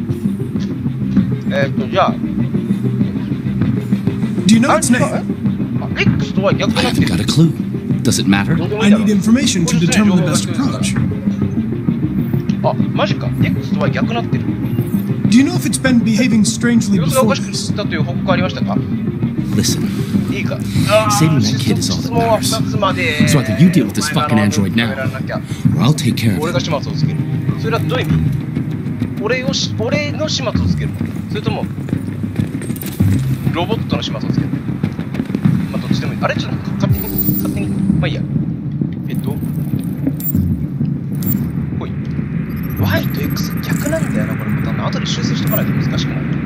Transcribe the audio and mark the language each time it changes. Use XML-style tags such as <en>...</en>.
<ja>じゃあ、</ja> <en>Do you know its name? I haven't got a clue. Does it matter? I need information to determine the best approach.</en> <ja>あ、マジか。X とは逆なってる。</ja> <en>Do you know if it's been behaving strangely before?</en> <ja>様子がおかしくしたという報告ありましたか。</ja> <en>Listen.</en> <ja>いいか。</ja> <en>Saving that kid is all that matters. So either you deal with this fucking android now, or I'll take care of</en> <ja>it. 俺が始末をつける。それはどういう意味？俺の始末をつける。それとも、ロボットの始末をつける。まあ、どっちでもいい。あれ？ちょっと、勝手に。まあいいや。 Y と X 逆なんだよな、これボタンの。後で修正しとかないと難しくなる。</ja>